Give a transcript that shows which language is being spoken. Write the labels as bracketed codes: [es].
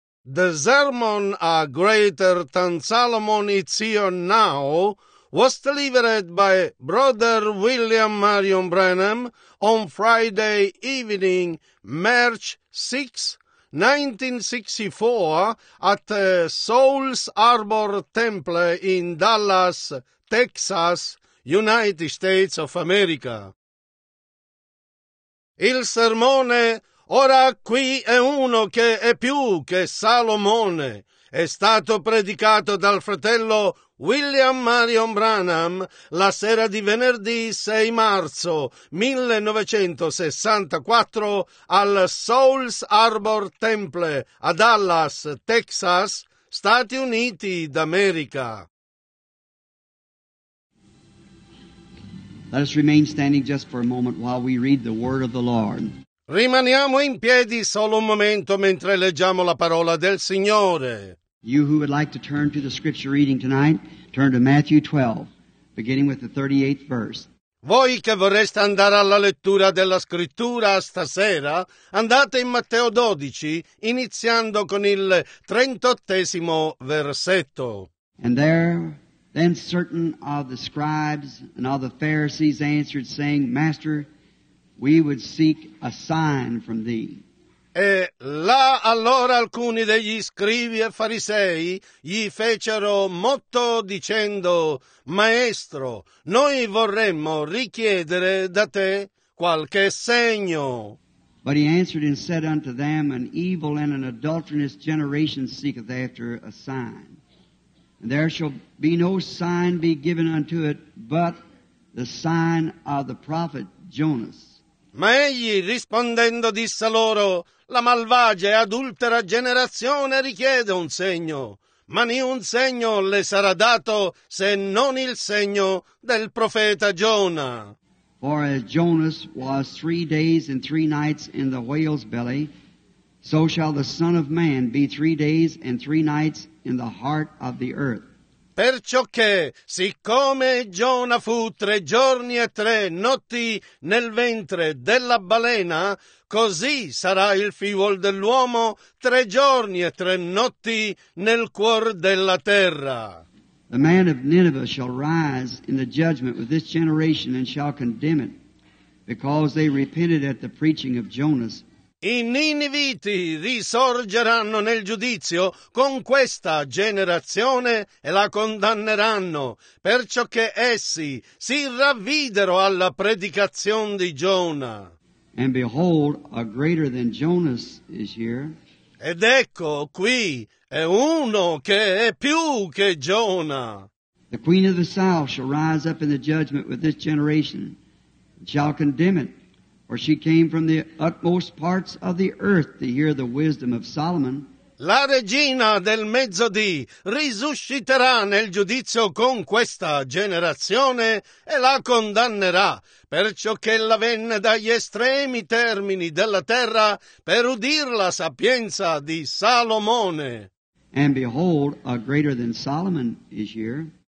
[en] The sermon a greater than Solomon is here now was delivered by Brother William Marion Branham on Friday evening, March 6, 1964, at Souls Harbor Temple in Dallas, Texas, United States of America. [it] Il sermone Ora qui è uno che è più che Salomone è stato predicato dal fratello William Marion Branham la sera di venerdì 6 marzo 1964 al Souls Harbor Temple a Dallas, Texas, Stati Uniti d'America. [en] Let us remain standing just for a moment while we read the word of the Lord. [it] Rimaniamo in piedi solo un momento mentre leggiamo la parola del Signore. [en] You who would like to turn to the scripture reading tonight, turn to Matthew 12, beginning with the 38th verse. [it] Voi che vorreste andare alla lettura della scrittura stasera, andate in Matteo 12, iniziando con il 38esimo versetto. [en] And there, then certain of the scribes and of the Pharisees answered, saying, Master, we would seek a sign from thee. [it] E là allora alcuni degli scribi e farisei gli fecero motto dicendo, Maestro, noi vorremmo richiedere da te qualche segno. [en] But he answered and said unto them, An evil and an adulterous generation seeketh after a sign. And there shall be no sign be given unto it, but the sign of the prophet Jonas. [it] Ma egli rispondendo disse loro, La malvagia e adultera generazione richiede un segno, ma niun segno le sarà dato se non il segno del profeta Giona. [en] For as Jonas was 3 days and 3 nights in the whale's belly, so shall the Son of Man be 3 days and 3 nights in the heart of the earth. [it] Perciò che, siccome Giona fu 3 giorni e 3 notti nel ventre della balena, così sarà il figliol dell'uomo 3 giorni e 3 notti nel cuor della terra. [en] The man of Nineveh shall rise in the judgment with this generation and shall condemn it, because they repented at the preaching of Jonas. [it] I Niniviti risorgeranno nel giudizio con questa generazione e la condanneranno, perciò che essi si ravvidero alla predicazione di Giona. [en] And behold, a greater than Jonas is here. [it] Ed ecco qui è uno che è più che Giona. [en] The queen of the south shall rise up in the judgment with this generation and shall condemn it. For she came from the utmost parts of the earth to hear the wisdom of Solomon. [it] La regina del mezzodì risusciterà nel giudizio con questa generazione e la condannerà, perciò che ella venne dagli estremi termini della terra per udir la sapienza di Salomone. [en] And behold, a greater than Solomon is here.